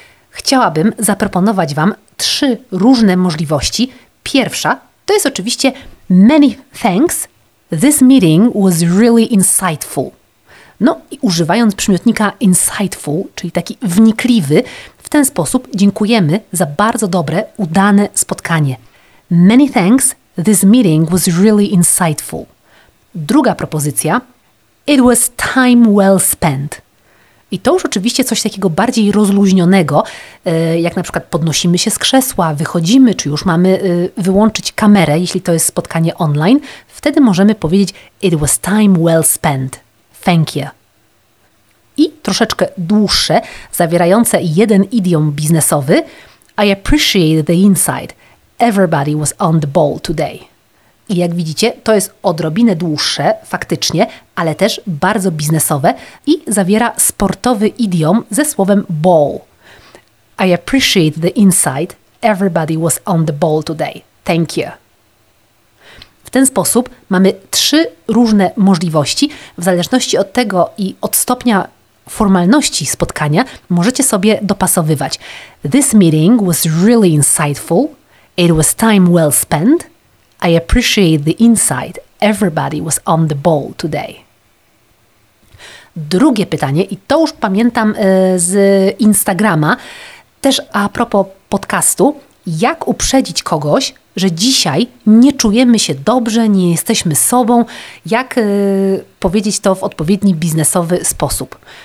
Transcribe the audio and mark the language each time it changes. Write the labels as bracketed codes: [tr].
[pl] Chciałabym zaproponować Wam trzy różne możliwości. Pierwsza to jest oczywiście [en] many thanks, this meeting was really insightful. [pl] No i używając przymiotnika insightful, czyli taki wnikliwy, w ten sposób dziękujemy za bardzo dobre, udane spotkanie. [en] Many thanks, this meeting was really insightful. [pl] Druga propozycja, [en] it was time well spent. [pl] I to już oczywiście coś takiego bardziej rozluźnionego, jak na przykład podnosimy się z krzesła, wychodzimy, czy już mamy wyłączyć kamerę, jeśli to jest spotkanie online, wtedy możemy powiedzieć [en] it was time well spent. Thank you. [pl] I troszeczkę dłuższe, zawierające jeden idiom biznesowy. [en] I appreciate the insight. Everybody was on the ball today. [pl] I jak widzicie, to jest odrobinę dłuższe faktycznie, ale też bardzo biznesowe i zawiera sportowy idiom ze słowem ball. [en] I appreciate the insight. Everybody was on the ball today. Thank you. [pl] W ten sposób mamy trzy różne możliwości. W zależności od tego i od stopnia formalności spotkania możecie sobie dopasowywać. [en] This meeting was really insightful. It was time well spent. I appreciate the insight. Everybody was on the ball today. [pl] Drugie pytanie, i to już pamiętam z Instagrama, też a propos podcastu, jak uprzedzić kogoś, że dzisiaj nie czujemy się dobrze, nie jesteśmy sobą, jak powiedzieć to w odpowiedni biznesowy sposób.